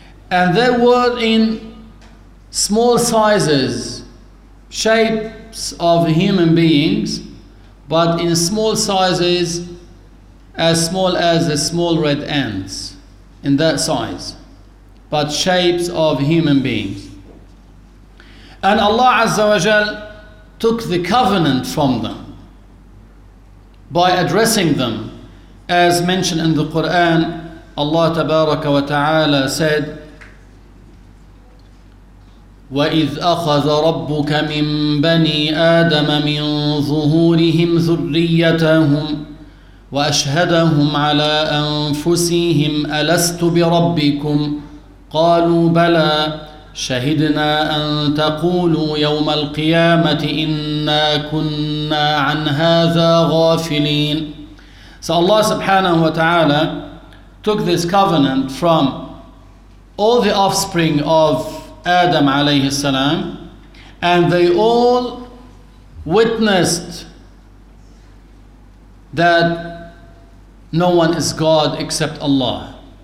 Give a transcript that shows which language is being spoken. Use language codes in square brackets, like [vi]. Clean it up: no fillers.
[en] And they were in small sizes, shapes of human beings, but in small sizes, as small as the small red ants, in that size, but shapes of human beings. And Allah Azza wa Jal took the covenant from them by addressing them. As mentioned in the Quran, Allah Tabaraka wa Ta'ala said, [ar] وَإِذْ أَخَذَ رَبُّكَ مِنْ بَنِي آدَمَ مِنْ ظُهُورِهِمْ ذُرِّيَّتَهُمْ وَأَشْهَدَهُمْ عَلَىٰ أَنفُسِهِمْ أَلَسْتُ بِرَبِّكُمْ قَالُوا بَلَىٰ شَهِدْنَا أَن تَقُولُوا يَوْمَ الْقِيَامَةِ إِنَّا كُنَّا عَنْ هَذَا غَافِلِينَ. [en] So Allah subhanahu wa ta'ala took this covenant from all the offspring of Adam alayhi salam, and they all witnessed that no one is God except Allah.